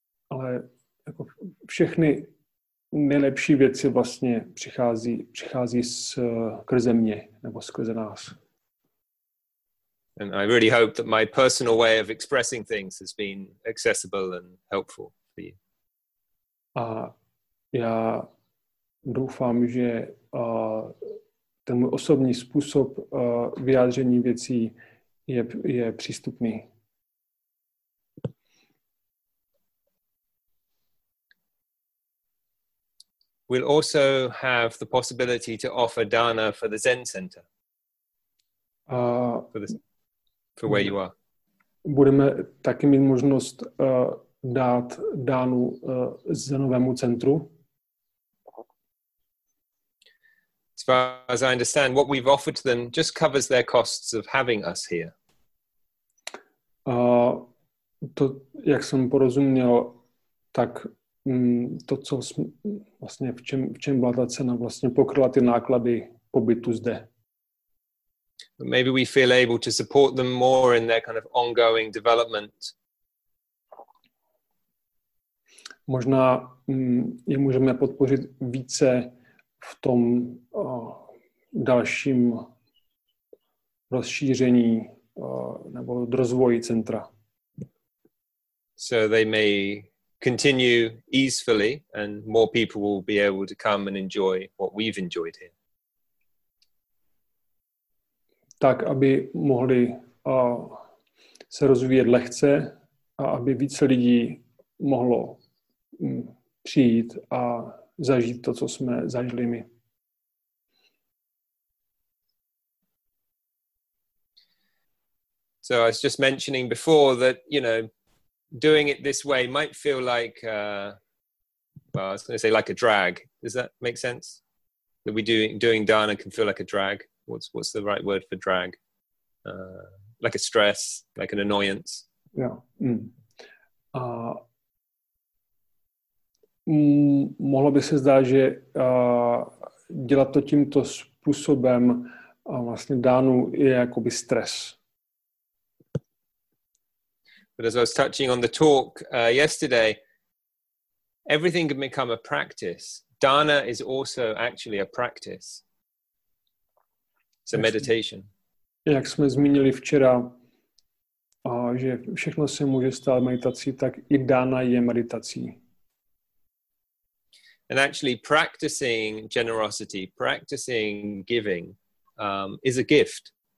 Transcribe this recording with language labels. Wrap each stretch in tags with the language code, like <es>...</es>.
<cs>Ale jako všechny nejlepší věci vlastně přichází skrze mě, nebo skrze nás.</cs> <en>And I really hope that my personal way of expressing things has been accessible and helpful for you.</en> <cs>A já doufám, že ten můj osobní způsob vyjádření věcí je přístupný.</cs> <en>We'll also have the possibility to offer dana for the Zen center. For where you are.</en> <cs>Budeme taky mít možnost dát dánu zenovému centru.</cs> <en>As I understand, what we've offered to them just covers their costs of having us here.</en> <cs>To, jak jsem porozuměl, tak to, co vlastně v čem byla ta cena, vlastně pokryla ty náklady pobytu zde.</cs> <en>But maybe we feel able to support them more in their kind of ongoing development.</en> <cs>Možná je můžeme podpořit více v tom dalším rozšíření nebo rozvoji centra.</cs> <en>So they may continue easily and more people will be able to come and enjoy what we've enjoyed here.</en> <cs>tak, aby mohli se rozvíjet lehce a aby více lidí mohlo přijít a zažít to, co jsme zažili my.</cs> <en>So I was just mentioning before that, you know, doing it this way might feel like, well, I was going to say like a drag. Does that make sense? That we doing dana can feel like a drag. What's the right word for drag? Like a stress, like an annoyance. Yeah.</en> <cs>Mohlo by se zdát, že dělat to tímto způsobem vlastně dánu je jakoby stres.</cs> <en>But as I was touching on the talk yesterday, everything can become a practice. Dana is also actually a practice. It's a meditation.</en> <cs>Jak jsme zmínili včera, že všechno se může stát meditací, tak i dána je meditací.</cs> <en>And actually practicing generosity, practicing giving, is a gift.</en>